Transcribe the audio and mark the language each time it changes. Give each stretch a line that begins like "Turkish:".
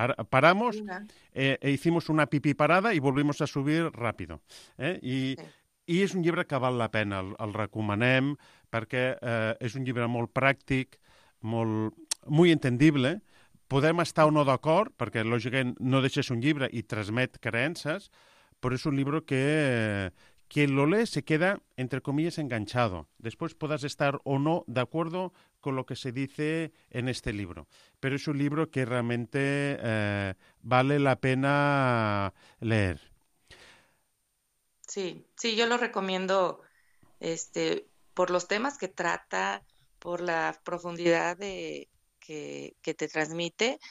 Spanish: Paramos, hicimos una pipí parada y volvimos a subir rápido.
Catalan: I és un llibre que val la pena, el recomanem, perquè és un llibre molt pràctic, molt,
Spanish: muy entendible.
Catalan: Podem estar o no d'acord, perquè lògicament no deixa ser un llibre i transmet creences, però és un llibre que
Spanish: quien lo lee se queda, entre comillas, enganchado. Después puedas estar o no de acuerdo con lo que se dice en este libro. Pero es un libro que realmente vale la pena leer. Sí, yo lo recomiendo por los temas que trata, por la profundidad que te transmite.